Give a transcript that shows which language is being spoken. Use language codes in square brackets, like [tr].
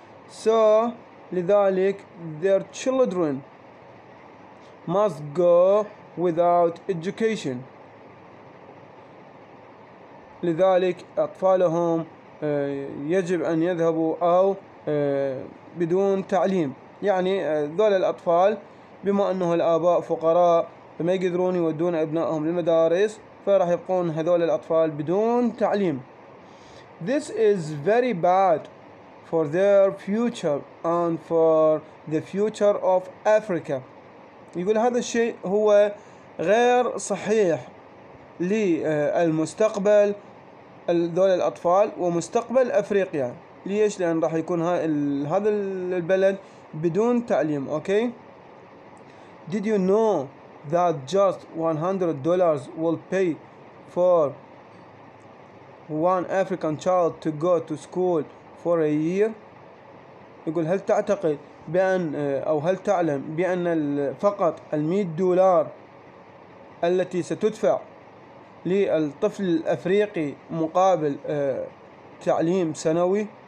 [en] so [ar] لذلك [en] their children must go without education، [ar] لذلك أطفالهم يجب أن يذهبوا أو بدون تعليم. يعني ذول الأطفال بما أنه الآباء فقراء فما يقدرون يودون أبنائهم للمدارس، فراح يبقون هذول الأطفال بدون تعليم. [en] This is very bad for their future and for the future of Africa. [ar] يقول هذا الشيء هو غير صحيح للمستقبل ذول الأطفال ومستقبل أفريقيا. ليش؟ لأن راح يكون هذا البلد بدون تعليم. أوكي، [en] Did you know that just $100 will pay for one African child to go to school for a year؟ [ar] يقول هل تعتقد بأن أو هل تعلم بأن فقط $100 التي ستدفع للطفل الأفريقي مقابل تعليم سنوي،